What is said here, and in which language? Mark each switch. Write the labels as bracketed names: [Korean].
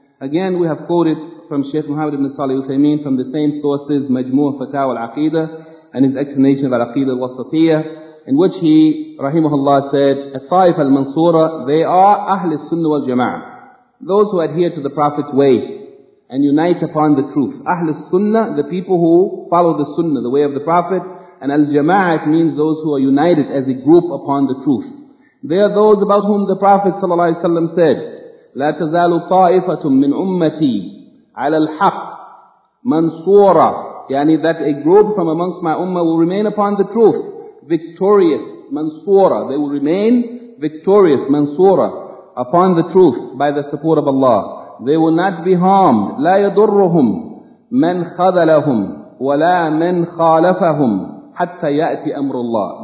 [English] Again, we have quoted from Shaykh Muhammad ibn Salih al-Uthaymeen from the same sources, Majmu' Fatawa al-Aqidah, and his explanation of al-Aqidah al-Wasatiyah, in which he, rahimahullah, said, Al-Ta'ifa al-Mansura, they are Ahl al-Sunnah wal-Jama'ah, those who adhere to the Prophet's way and unite upon the truth. Ahl al-Sunnah, the people who follow the Sunnah, the way of the Prophet, and al-Jama'ah, it means those who are united as a group upon the truth. They are those about whom the Prophet ﷺ said, [Arabic] لَا تَزَالُ طَائِفَةٌ مِّنْ أُمَّتِي عَلَى الْحَقِّ مَنْصُورًا. [English] Yani that a group from amongst my ummah will remain upon the truth, victorious, mansura. They will remain victorious, mansura, upon the truth by the support of Allah. They will not be harmed. [Arabic] لَا يَضُرُّهُمْ مَنْ خَذَلَهُمْ وَلَا مَنْ خَالَفَهُمْ حَتَّى يَأْتِ أَمْرُ اللَّهِ.